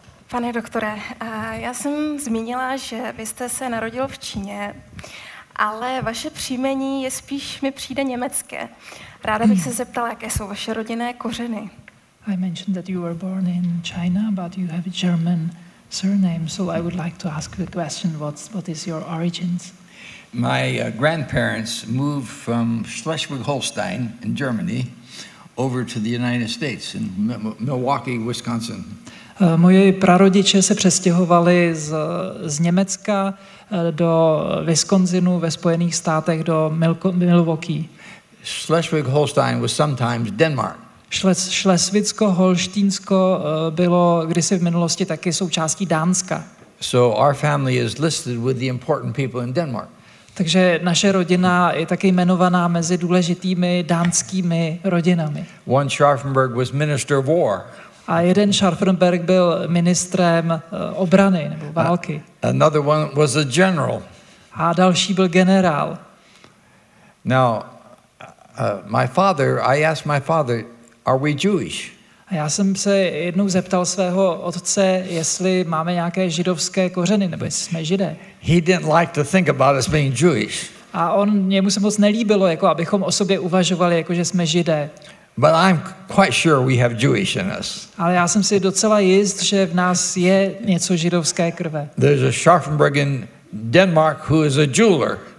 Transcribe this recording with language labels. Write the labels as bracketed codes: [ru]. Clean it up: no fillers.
[cs] Pane doktore, já jsem zmínila, že vy jste se narodil v Číně, ale vaše příjmení je spíš, mi přijde, německé. Ráda bych se zeptala, jaké jsou vaše rodinné kořeny. [en] I mentioned that you were born in China, but you have a German surname, so I would like to ask the question, what is your origins? My grandparents moved from Schleswig-Holstein in Germany over to the United States in Milwaukee, Wisconsin. [cs] Moji prarodiče se přestěhovali z Německa do Wisconsinu ve Spojených státech do Milwaukee. [en] Schleswig-Holstein was sometimes Denmark. [cs] Schleswig-Holštínsko bylo kdysi v minulosti taky součástí Dánska. [en] So our family is listed with the important people in Denmark. [cs] Takže naše rodina je taky jmenovaná mezi důležitými dánskými rodinami. [en] One Scharfenberg was minister of war. [cs] A jeden Schafferberg byl ministrem obrany nebo války. [en] Another one was a general. [cs] A další byl generál. [en] Now, I asked my father, are we Jewish? [cs] A já jsem se jednou zeptal svého otce, jestli máme nějaké židovské kořeny nebo jestli jsme Židé. [en] He didn't like to think about us being Jewish. [cs] A on němu se moc nelíbilo, jako abychom o sobě uvažovali, jako že jsme Židé. [en] But I'm quite sure we have Jewish in us. [cs] Ale já jsem si docela jist, že v nás je něco židovské krve. [en] There's a Scharfenberg in Denmark who is a jeweler.